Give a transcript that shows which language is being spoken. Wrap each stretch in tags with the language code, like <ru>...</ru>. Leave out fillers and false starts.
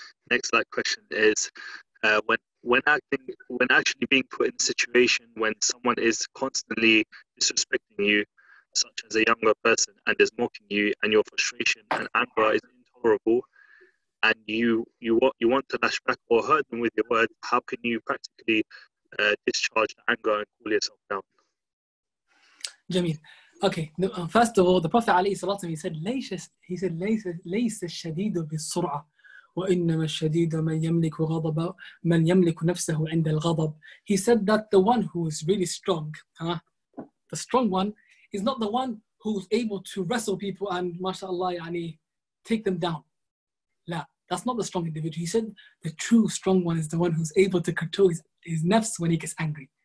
<en>Next like question is, when actually being put in a situation when someone is constantly disrespecting you, such as a younger person, and is mocking you, and your frustration and anger is intolerable, and you want to lash back or hurt them with your word, how can you practically discharge the anger and cool yourself down? Jameel. Okay, first of all, the Prophet</en> <ar>عليه الصلاة والسلام,</ar> <en>he said</en> <ar>ليس الشديد بالسرعة وإنما الشديد من يملك غضب من يملك نفسه عند الغضب.</ar> <en>He said that the one who is really strong, the strong one, is not the one who's able to wrestle people and mashallah yani take them down. La, that's not the strong individual. He said the true strong one is the one who's able to control his nafs when he gets angry.</en>